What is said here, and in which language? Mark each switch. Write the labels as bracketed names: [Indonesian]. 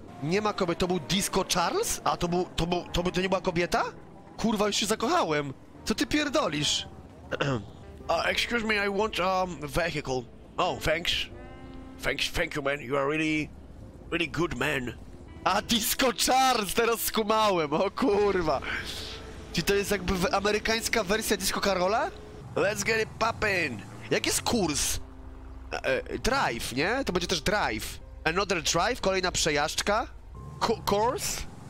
[Polish] Nie ma kobiet, to był Disco Charles? A to był, to nie była kobieta? Kurwa, już się zakochałem. Co ty pierdolisz? [English] Excuse me, I want vehicle. Oh, thanks, thank you, man. You are really, really good man. [Polish] A Disco Charles, teraz skumałem, o kurwa. Czy to jest jakby amerykańska wersja Disco Carola? [English] Let's get it poppin'. [Polish] Jak jest kurs? Drive, nie? To będzie też drive. [English] Another drive, [Polish] kolejna przejażdżka. [English] Course?